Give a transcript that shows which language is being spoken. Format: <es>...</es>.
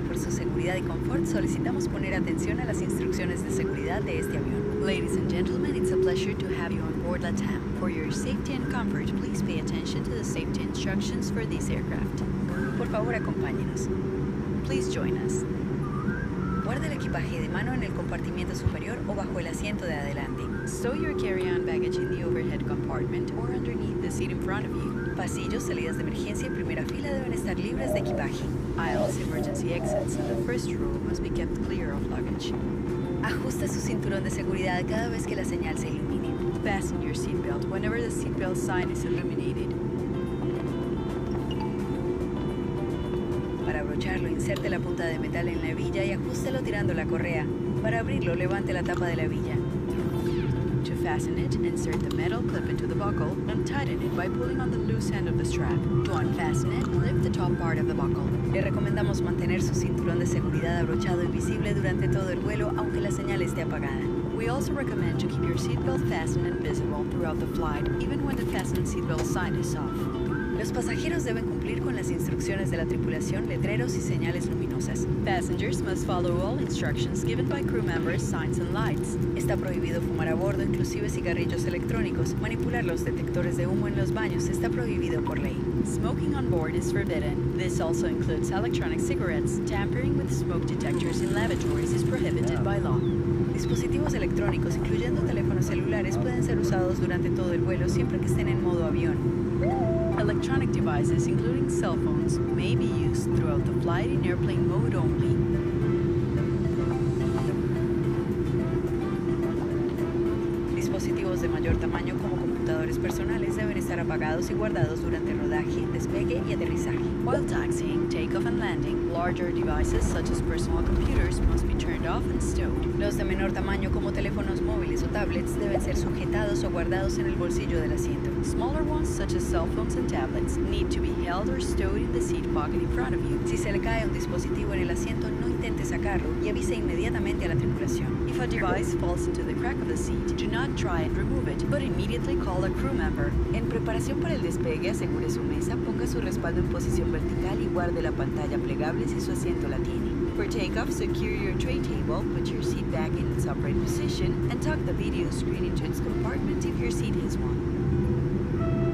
<es>Por su seguridad y confort, solicitamos poner atención a las instrucciones de seguridad de este avión.</es> <en>Ladies and gentlemen, it's a pleasure to have you on board la TAM. For your safety and comfort, please pay attention to the safety instructions for this aircraft.</en> <es>Por favor, acompáñenos.</es> <en>Please join us.</en> <es>Guarde el equipaje de mano en el compartimiento superior o bajo el asiento de adelante.</es> <en>Stow your carry-on baggage in the overhead compartment or underneath the seat in front of you.</en> <es>Pasillos, salidas de emergencia y primera fila deben estar libres de equipaje.</es> <en>Aisles, emergency exits, and the first row must be kept clear of luggage.</en> <es>Ajuste su cinturón de seguridad cada vez que la señal se ilumine.</es> <en>Fasten your seatbelt whenever the seatbelt sign is illuminated.</en> <es>Para abrocharlo, inserte la punta de metal en la hebilla y ajústelo tirando la correa. Para abrirlo, levante la tapa de la hebilla.</es> <en>To fasten it, insert the metal clip into the buckle and tighten it by pulling on the loose end of the strap. To unfasten it, lift the top part of the buckle.</en> <es>Le recomendamos mantener su cinturón de seguridad abrochado y visible durante todo el vuelo, aunque la señal esté apagada.</es> <en>We also recommend to keep your seatbelt fastened and visible throughout the flight, even when the fastened seatbelt sign is off.</en> <es>Los pasajeros deben cumplir con las instrucciones de la tripulación, letreros y señales luminosas.</es> <en>Passengers must follow all instructions given by crew members, signs and lights.</en> <es>Está prohibido fumar a bordo, inclusive cigarrillos electrónicos. Manipular los detectores de humo en los baños está prohibido por ley.</es> <en>Smoking on board is forbidden. This also includes electronic cigarettes. Tampering with smoke detectors in lavatories is prohibited by law.</en> <es>Dispositivos electrónicos, incluyendo teléfonos celulares, pueden ser usados durante todo el vuelo siempre que estén en modo avión.</es> <en>Electronic devices, including cell phones, may be used throughout the flight in airplane mode only.</en> <es>Dispositivos de mayor tamaño como computadores personales deben estar apagados y guardados durante rodaje, despegue y aterrizaje.</es> <en>While taxiing, takeoff and landing, larger devices such as personal computers must be turned off and stowed.</en> <es>Los de menor tamaño como teléfonos móviles o tablets deben ser sujetados o guardados en el bolsillo del asiento.</es> <en>Smaller ones such as cell phones and tablets need to be held or stowed in the seat pocket in front of you.</en> <es>Si se le cae un dispositivo en el asiento, no intente sacarlo y avise inmediatamente a la tripulación.</es> <en>If a device falls into the crack of the seat, do not try and remove it, but immediately call a crew member.</en> <es>En preparación para el despegue, asegure su mesa, ponga su respaldo en posición vertical y guarde la pantalla plegable si su asiento la tiene.</es> <en>For takeoff, secure your tray table, put your seat back in its upright position, and tuck the video screen into its compartment if your seat is one.</en>